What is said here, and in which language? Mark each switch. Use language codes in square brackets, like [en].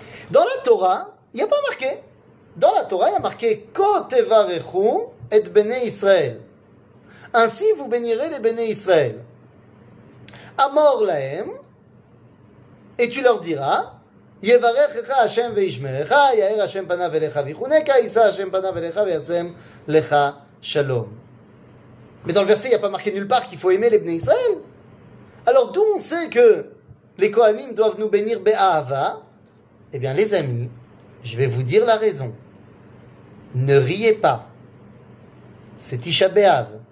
[fr] Dans la Torah, il n'y a pas marqué. Dans la Torah, il y a marqué [he] Ko tevarechu et bene Israël. [fr] Ainsi, vous bénirez les bene Israël. [he] Amor lahem, [fr] et tu leur diras [he] יברכך השם וישמרך, יאר השם פניו אליך ויחונך, יישא השם פניו אליך וישם לך שלום. [fr] Mais dans le verset, il n'y a pas marqué nulle part qu'il faut aimer les Bnei Israël. Alors d'où on sait que les Kohanim doivent nous bénir Be'ahava ? Eh bien les amis, je vais vous dire la raison. Ne riez pas. C'est Tisha B'Av.